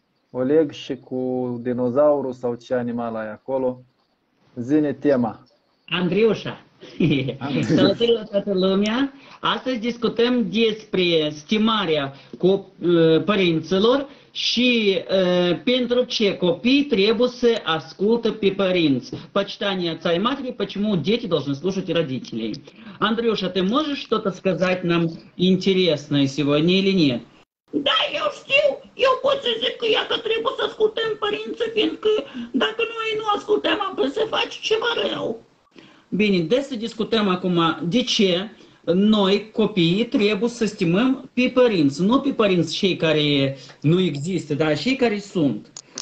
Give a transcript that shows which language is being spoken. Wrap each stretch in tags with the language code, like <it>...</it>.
<ro>Oleg și cu dinozaurul sau ce animal ai acolo, zine tema. Andriușa, salutări la toată lumea! Astăzi discutăm despre stimarea părinților și pentru ce copii trebuie să ascultă pe părinți.</ro> <ru>Почитание отца и матери, почему дети должны слушать родителей. Андрюша, ты можешь что-то сказать нам интересное сегодня или нет?</ru> <ro>Da, eu știu, eu pot să zic că ea că trebuie să ascultăm părinții, fiindcă dacă noi nu ascultăm, am să face ceva rău. Bine, de să discutăm acum de ce noi, copiii, trebuie să stimăm pe părinți, nu pe părinți cei care nu există, dar cei care sunt.</ro>